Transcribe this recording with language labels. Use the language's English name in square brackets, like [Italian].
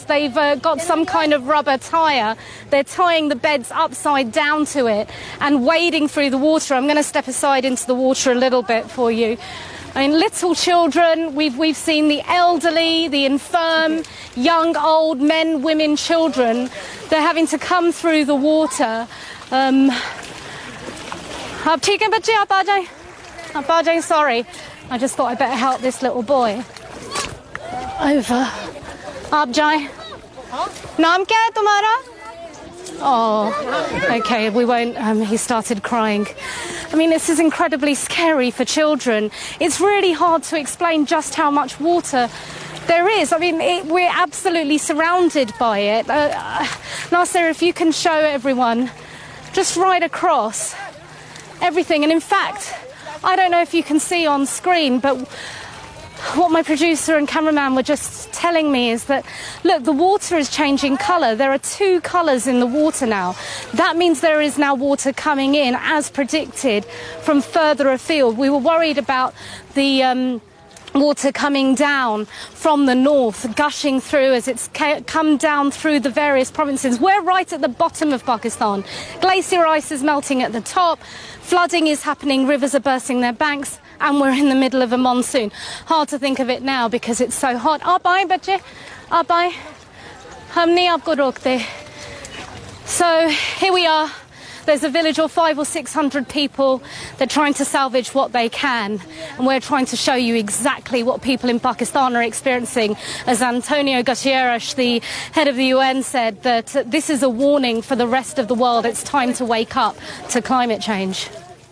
[English] They've got some kind of rubber tire. They're tying the beds upside down to it and wading through the water. I'm going to step aside into the water a little bit for you. I mean, little children, we've seen the elderly, the infirm, young, old men, women, children. They're having to come through the water. [Hindi] आप ठीक हैं बच्चे, आप आ जाये. आप आ जाये, sorry. [English] I just thought I'd better help this little boy. Over. [Hindi] आप जाये. नाम क्या है तुम्हारा? [English] Oh, okay, we won't. He started crying. I mean, this is incredibly scary for children. It's really hard to explain just how much water there is. I mean, we're absolutely surrounded by it. Nasser, if you can show everyone, just right across everything. And in fact, I don't know if you can see on screen, but what my producer and cameraman were just telling me is that, look, the water is changing colour. There are two colours in the water now. That means there is now water coming in, as predicted, from further afield. We were worried about the water coming down from the north, gushing through as it's come down through the various provinces. We're right at the bottom of Pakistan. Glacier ice is melting at the top. Flooding is happening. Rivers are bursting their banks. And we're in the middle of a monsoon. Hard to think of it now because it's so hot. [Hindi] आप आये बच्चे, आप आये. हम नहीं आपको रोकते. [English] So here we are. There's a village of 500 or 600 people. They're trying to salvage what they can. And we're trying to show you exactly what people in Pakistan are experiencing. As Antonio Guterres, the head of the UN, said that this is a warning for the rest of the world. It's time to wake up to climate change.